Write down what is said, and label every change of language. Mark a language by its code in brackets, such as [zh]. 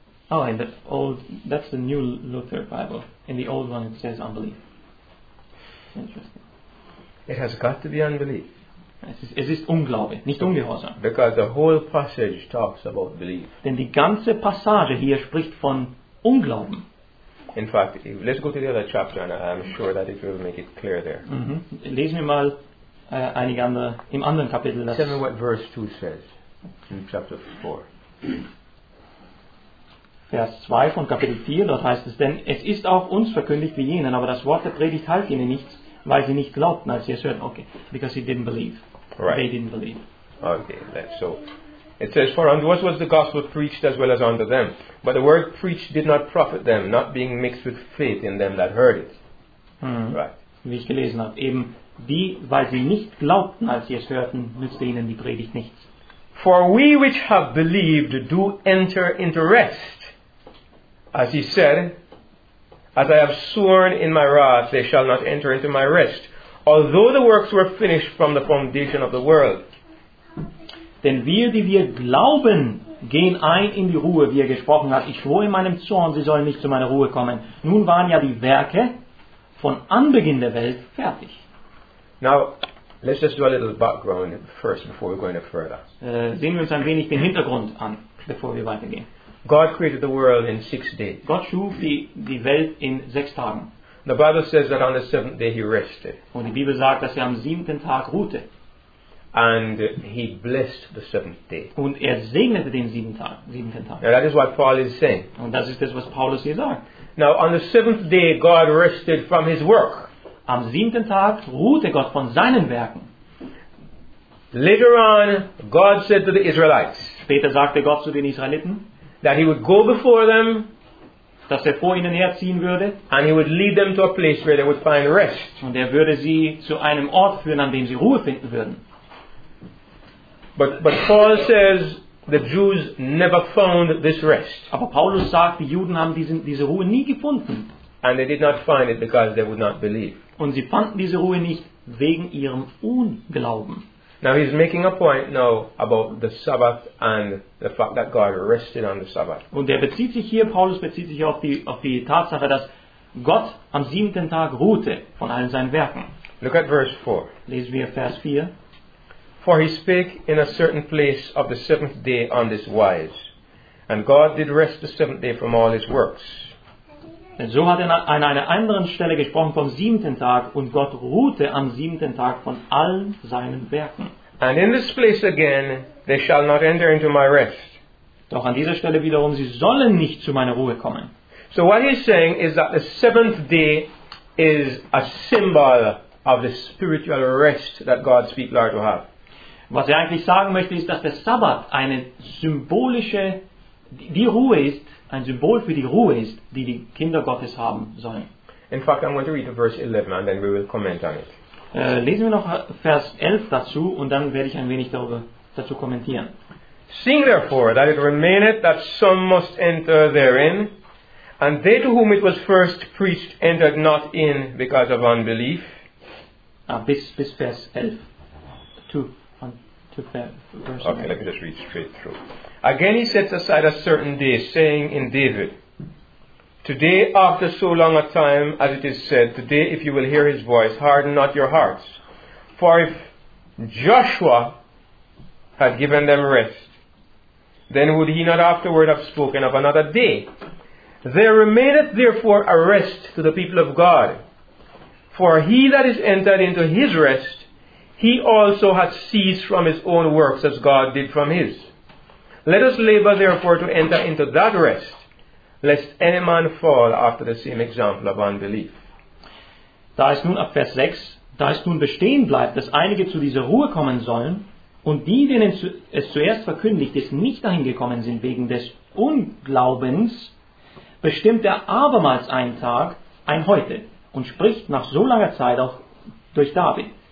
[en] Oh, in the old, that's the new Luther Bible. In the old one it says unbelief. Interesting. It has got to be unbelief. [de] Es ist Unglaube, nicht Ungehorsam. [en] Because the whole passage talks about belief. [de] Denn die ganze Passage hier spricht von Unglauben. [en] In fact, let's go to the other chapter and I'm sure that it will make it clear there. Mm-hmm. [de] Lesen wir mal einige andere, im anderen Kapitel. [en] Tell me what verse 2 says in chapter 4. [de] Vers 2 von Kapitel 4, dort heißt es, denn es ist auch uns verkündigt wie jenen, aber das Wort der Predigt half ihnen nichts, weil sie nicht glaubten, als sie es hörten. [en] Okay, because they didn't believe. Right. They didn't believe. Okay, so it says, for unto us was the gospel preached as well as unto them. But the word preached did not profit them, not being mixed with faith in them that heard it. Right. [de] Wie ich gelesen habe, eben die, weil sie nicht glaubten, als sie es hörten, nützte ihnen die Predigt nichts. [en] For we which have believed do enter into rest. As he said, as I have sworn in my wrath, they shall not enter into my rest. Although the works were finished from the foundation of the world. [de] Denn wir, die wir glauben, gehen ein in die Ruhe, wie er gesprochen hat. Ich schwor in meinem Zorn, sie sollen nicht zu meiner Ruhe kommen. Nun waren ja die Werke von Anbeginn der Welt fertig. [en] Now, let's just do a little background first before we go any further. [de] Sehen wir uns ein wenig den Hintergrund an, bevor wir weitergehen. [en] God created the world in 6 days. [de] Gott schuf die Welt in 6 Tagen. [en] The Bible says that on the 7th day he rested. [de] Und die Bibel sagt, dass er am 7. Tag ruhte. [en] And he blessed the 7th day. [de] Und er segnete den 7. Tag. [en] Now that is what Paul is saying. [de] Und das ist das, was Paulus hier sagt. [en] Now on the 7th day, God rested from his work. [de] Am 7. Tag ruhte Gott von seinen Werken. [en] Later on, God said to the Israelites. [de] Später sagte Gott zu den Israeliten, [en] that he would go before them, [de] dass er vor ihnen herziehen würde, [en] and he would lead them to a place where they would find rest. [de] Und er würde sie zu einem Ort führen, an dem sie Ruhe finden würden. [en] But Paul says the Jews never found this rest. [de] Aber Paulus sagt, die Juden haben diese Ruhe nie gefunden. [en] And they did not find it because they would not believe. [de] Und sie fanden diese Ruhe nicht wegen ihrem Unglauben. [en] Now he's making a point now about the Sabbath and the fact that God rested on the Sabbath. [de] Und er bezieht sich hier, Paulus bezieht sich auf die Tatsache, dass Gott am 7. Tag ruhte von allen seinen Werken. [en] Look at verse 4. [de] Lesen wir Vers 4. [en] For he spake in a certain place of the 7th day on this wise. And God did rest the 7th day from all his works. [de] Denn so hat er an einer anderen Stelle gesprochen vom 7. Tag und Gott ruhte am 7. Tag von allen seinen Werken. [en] And in this place again, they shall not enter into my rest. [de] Doch an dieser Stelle wiederum, sie sollen nicht zu meiner Ruhe kommen. [en] So what he's saying is that the 7th day is a symbol of the spiritual rest that God's people are to have. [de] Was er eigentlich sagen möchte, ist, dass der Sabbat eine symbolische, die Ruhe ist, ein Symbol für die Ruhe ist, die die Kinder Gottes haben sollen. [en] In fact, I'm going to read verse 11 and then we will comment on it. [de] Lesen wir noch Vers 11 dazu und dann werde ich ein wenig darüber dazu kommentieren. [en] Seeing therefore that it remaineth that some must enter therein, and they to whom it was first preached entered not in because of unbelief. [de] Bis Vers 11. [en] Okay, let me just read straight through. Again he sets aside a certain day, saying in David, today after so long a time, as it is said, today if you will hear his voice, harden not your hearts. For if Joshua had given them rest, then would he not afterward have spoken of another day? There remaineth therefore a rest to the people of God. For he that is entered into his rest, he also hath ceased from his own works as God did from his. Let us labor therefore to enter into that rest, lest any man fall after the same example of unbelief. [de] Da ist nun ab Vers 6, da es nun bestehen bleibt, dass einige zu dieser Ruhe kommen sollen, und die, denen es zuerst verkündigt ist, nicht dahin gekommen sind wegen des Unglaubens, bestimmt er abermals einen Tag, ein Heute, und spricht nach so langer Zeit auch durch David.